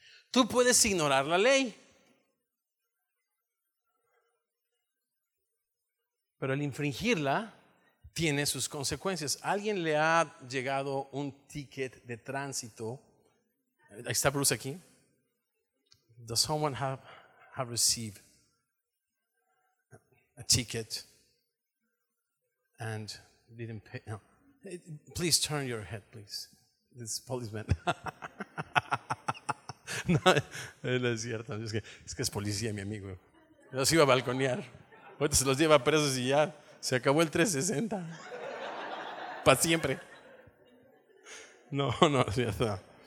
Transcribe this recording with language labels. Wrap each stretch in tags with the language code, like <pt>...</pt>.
<es>Tú puedes ignorar la ley, pero el infringirla tiene sus consecuencias. ¿Alguien le ha llegado un ticket de tránsito? Ahí está Bruce aquí.</es> <en>Does someone have received a ticket and didn't pay? No. Please turn your head, please. This policeman.</en> <es>No, no es cierto. Es que es policía, mi amigo. Los iba a balconear. Ahorita se los lleva presos y ya. Se acabó el 360. Para siempre. No, es cierto.</es>